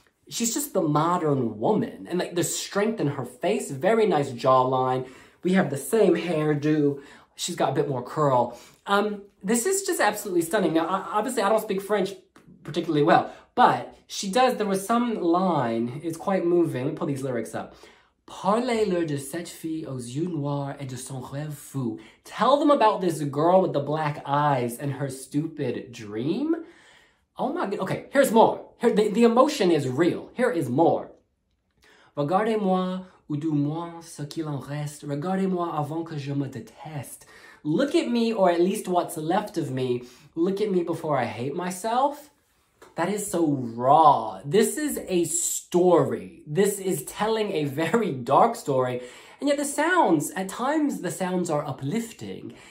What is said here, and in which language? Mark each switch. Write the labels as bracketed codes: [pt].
[en] She's just the modern woman. And like the strength in her face, very nice jawline. We have the same hairdo. She's got a bit more curl. This is just absolutely stunning. Now, obviously I don't speak French particularly well, but she does, there was some line, it's quite moving. Let me pull these lyrics up. [fr] Parlez-leur de cette fille aux yeux noirs et de son rêve fou. [en] Tell them about this girl with the black eyes and her stupid dream. Oh my god. Okay, here's more. Here, the emotion is real. Here is more. [fr] Regardez-moi ou du moins ce qu'il en reste. Regardez-moi avant que je me déteste. [en] Look at me, or at least what's left of me. Look at me before I hate myself. That is so raw. This is a story. This is telling a very dark story. And yet the sounds, at times the sounds are uplifting.